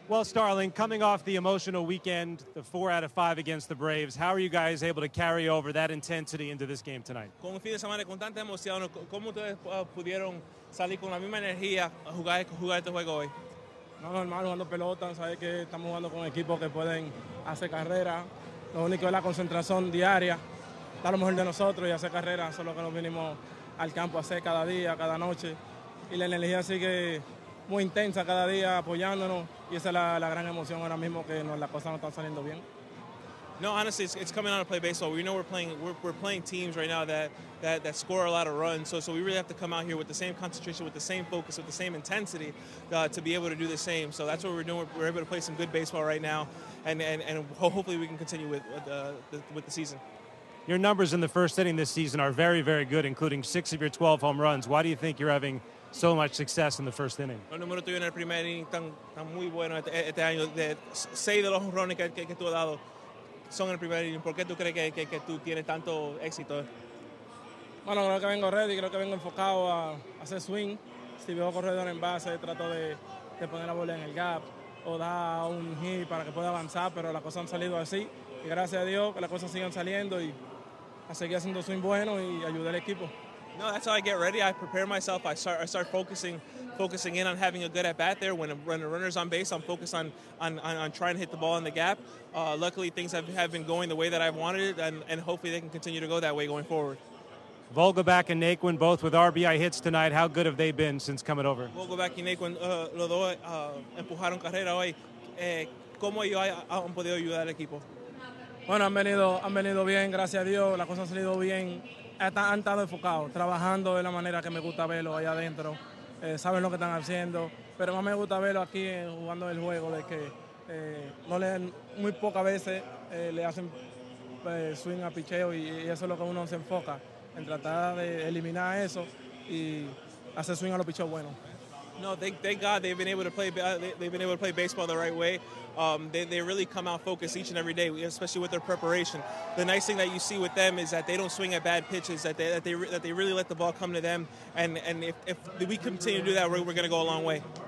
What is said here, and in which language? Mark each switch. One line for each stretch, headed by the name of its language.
English: Well, Starling, coming off the emotional weekend, the 4 out of 5 against the Braves, how are you guys able to carry over that intensity into this game tonight?
Spanish: Con un fin de semana con tanta emoción, ¿cómo ustedes pudieron salir con la misma energía a jugar este juego hoy? No, normal, jugando pelota, sabes que estamos jugando con equipos que pueden hacer carrera. Lo único es la concentración diaria, dar lo mejor de nosotros y hacer carrera. Eso es lo que nos vinimos al campo a hacer cada día, cada noche. Y la energía sigue muy intensa cada día apoyándonos. Y esa es la gran emoción ahora mismo que las cosas no están saliendo bien.
English: No, honestly, it's coming out to play baseball. We know we're playing teams right now that score a lot of runs. So we really have to come out here with the same concentration, with the same focus, with the same intensity to be able to do the same. So that's what we're doing. We're able to play some good baseball right now, and hopefully we can continue with the season. Your numbers in the first inning this season are very, very good, including 6 of your 12 home runs. Why do you think you're having so much success in the first inning?
Spanish: Los números tuyos en el primer inning están muy buenos este año. 6 de los home runs que tú has dado. Son el primer inning. ¿Por qué tú crees que tú tienes tanto éxito? Bueno, creo que vengo ready, creo que vengo enfocado a hacer swing. Si veo corredor en base, trato de poner la bola en el gap o dar un hit para que pueda avanzar, pero las cosas han salido así. Y gracias a Dios que las cosas sigan saliendo y a seguir haciendo swing bueno y ayudar al equipo.
English: No, that's how I get ready. I prepare myself. I start focusing in on having a good at bat there. When the runner's on base, I'm focused on trying to hit the ball in the gap. Luckily, things have been going the way that I've wanted it, and hopefully they can continue to go that way going forward. Vogelbach and Naquin both with RBI hits tonight. How good have they been since coming over?
Spanish: Vogelbach y Naquin, los dos empujaron carrera hoy. ¿Cómo ellos han podido ayudar al equipo? Bueno, han venido bien, gracias a Dios. La cosa ha salido bien. Han estado enfocados, trabajando de la manera que me gusta verlo allá adentro. Saben lo que están haciendo, pero más me gusta verlo aquí jugando el juego, de que no le dan, muy pocas veces le hacen swing a picheo y eso es lo que uno se enfoca, en tratar de eliminar eso y hacer swing a los picheos buenos.
English: No, thank God they've been able to play. They've been able to play baseball the right way. They really come out focused each and every day, especially with their preparation. The nice thing that you see with them is that they don't swing at bad pitches. That they really let the ball come to them. And if we continue to do that, we're going to go a long way.